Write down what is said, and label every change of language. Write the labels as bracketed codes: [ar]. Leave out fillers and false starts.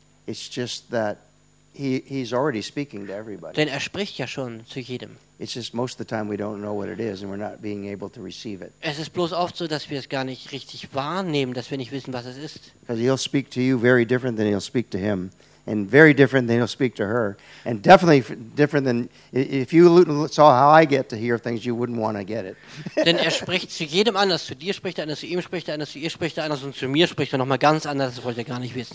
[en] It's just that he's already speaking to everybody. [de] Denn er spricht ja schon zu jedem. [en] It's just most of the time we don't know what it is and we're not being able to receive it. [de] Es ist bloß oft so, dass wir es gar nicht richtig wahrnehmen, dass wir nicht wissen, was es ist. [en] Because he'll speak to you very different than he'll speak to him. And very different than he'll speak to her. And definitely different than, if you saw how I get to hear things, you wouldn't want to get it. [de] Denn er spricht zu jedem anders. Zu dir spricht er anders, zu ihm spricht er anders, zu ihr spricht er anders und zu mir spricht er nochmal ganz anders. Das wollte er gar nicht wissen.